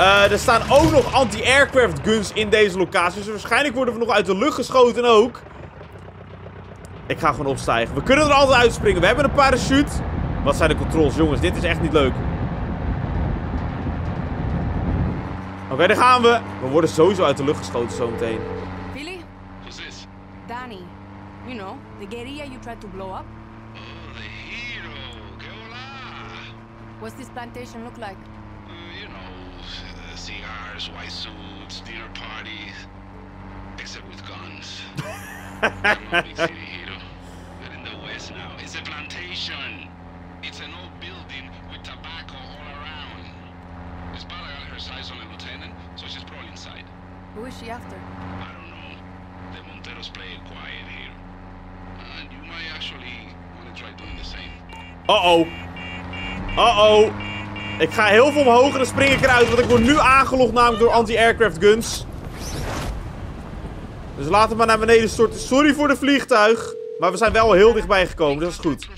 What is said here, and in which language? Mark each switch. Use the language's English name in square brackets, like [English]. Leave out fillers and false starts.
[Dutch] Er staan ook nog anti-aircraft guns in deze locatie. Dus waarschijnlijk worden we nog uit de lucht geschoten ook. Ik ga gewoon opstijgen. We kunnen er altijd uitspringen. We hebben een parachute. Wat zijn de controls, jongens? Dit is echt niet leuk. Oké, daar gaan we. We worden sowieso uit de lucht geschoten zometeen. [English] Philly? Who's this? Danny. You know, the guerrilla you tried to blow up. Oh, the hero. What's this plantation look like? You know, cigars, white suits, dinner parties. Except with guns. We're in the West now. It's a plantation. It's an old building with tobacco all around. Is Bala got her size on the lieutenant, so she's probably inside. Who is she after? I don't know. The Monteros play it quiet here. And you might actually want to try doing the same. Uh-oh. [Dutch] Ik ga heel veel omhoog en dan spring ik eruit, want ik word nu aangelogd namelijk door anti-aircraft guns. Dus laten we maar naar beneden storten. Sorry voor de vliegtuig, maar we zijn wel heel dichtbij gekomen, dus dat is goed.